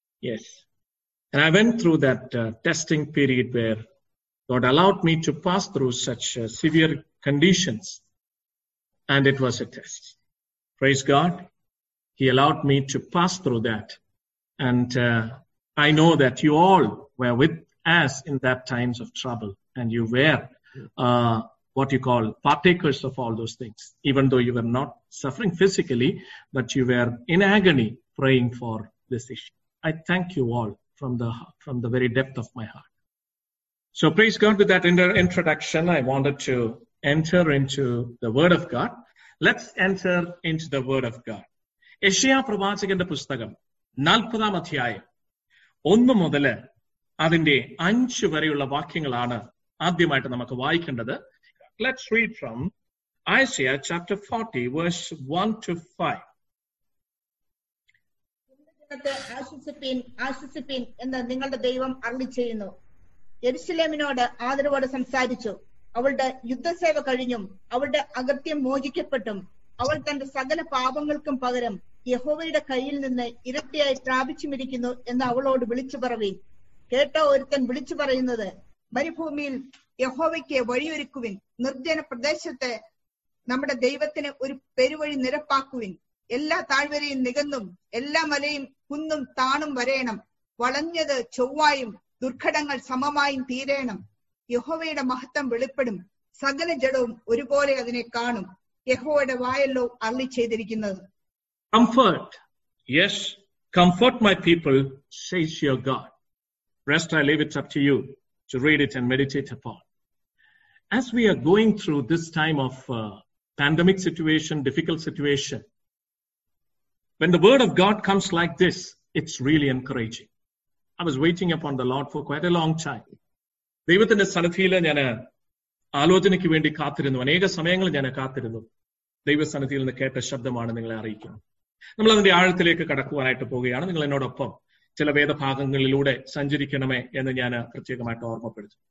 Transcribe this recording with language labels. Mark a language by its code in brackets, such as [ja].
[en] Yes, and I went through that testing period where God allowed me to pass through such severe conditions and it was a test. Praise God, he allowed me to pass through that and I know that you all were with us in that times of trouble. And you were what you call partakers of all those things, even though you were not suffering physically, but you were in agony praying for this issue. I thank you all from the very depth of my heart. So praise God. With that introduction, I wanted to enter into the word of God. Let's enter into the word of God. [ml] Yeshayah pravachakante pustakam 40th adhyayam 1 mudale adinte 5 vareyulla vakyangalana ആദ്യമായിട്ട് നമുക്ക് വായിക്കേണ്ടത്. [en] Let's read from Isaiah chapter 40 verse 1-5. [ml] ആശ്വസിപ്പീൻ എന്ന് നിങ്ങളുടെ ദൈവം അരുളിച്ചെയ്യുന്നു. യെരുശലേമിനോട് ആദരവോടെ സംസാരിച്ചു. അവളുടെ യുദ്ധസേവ കഴിഞ്ഞും അവളുടെ അകൃത്യം മോചിക്കപ്പെട്ടും അവൾ തന്റെ സകല പാപങ്ങൾക്കും പകരം യഹോവയുടെ കയ്യിൽ നിന്ന് ഇരട്ടിയായി പ്രാപിച്ചുമിരിക്കുന്നു എന്ന് അവളോട് വിളിച്ചു പറവീൻ. കേട്ടോ ഒരുത്തൻ വിളിച്ചു പറയുന്നത്, മരുഭൂമിയിൽ യഹോവയ്ക്ക് വഴിയൊരുക്കുവിൻ, നിർജ്ജന പ്രദേശത്ത് നമ്മുടെ ദൈവത്തിന് ഒരു പെരുവഴി നിരപ്പാക്കുവിൻ. എല്ലാ താഴ്വരയും നികന്നും എല്ലാ മലയും കുന്നും താണും വരേണം. വളഞ്ഞത് ചൊവ്വായും ദുർഘടങ്ങൾ സമമായും തീരേണം. യഹോവയുടെ മഹത്വം വെളിപ്പെടും, സകല ജഡവും ഒരുപോലെ അതിനെ കാണും. യഹോവയുടെ വായല്ലോ അരുളി ചെയ്തിരിക്കുന്നത്. [en] Comfort, yes, comfort my people, says your God. Rest I leave it up to you to read it and meditate upon. As we are going through this time of pandemic situation, difficult situation, when the word of God comes like this, it's really encouraging. I was waiting upon the Lord for quite a long time. [ml] ദൈവത്തിന്റെ സന്നിധിയില് ഞാന് ആലോചനയ്ക്ക് വേണ്ടി കാത്തിരുന്നു. അനേക സമയങ്ങൾ ഞാൻ കാത്തിരുന്നു. ദൈവസന്നിധിയിൽ നിന്ന് കേട്ട ശബ്ദമാണ് നിങ്ങളെ അറിയിക്കുന്നത്. നമ്മൾ അതിന്റെ ആഴത്തിലേക്ക് കടക്കുവാനായിട്ട് പോവുകയാണ്. നിങ്ങൾ എന്നോടൊപ്പം ചില വേദഭാഗങ്ങളിലൂടെ സഞ്ചരിക്കണമേ എന്ന് ഞാൻ പ്രത്യേകമായിട്ട് ഓർമ്മപ്പെടുത്തി.